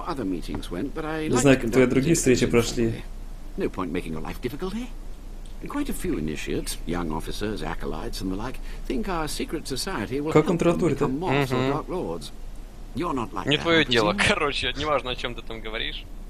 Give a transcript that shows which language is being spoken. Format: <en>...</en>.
<ru>Не знаю, как твои другие встречи прошли.</ru> <en>No point making a life difficult, eh? Quite a few initiates, young officers, acolytes and the like, think our secret society will help them become mobs or dark lords. You're not like that.</en> <ru>Не твое дело. Короче, неважно, о чем ты там говоришь.</ru>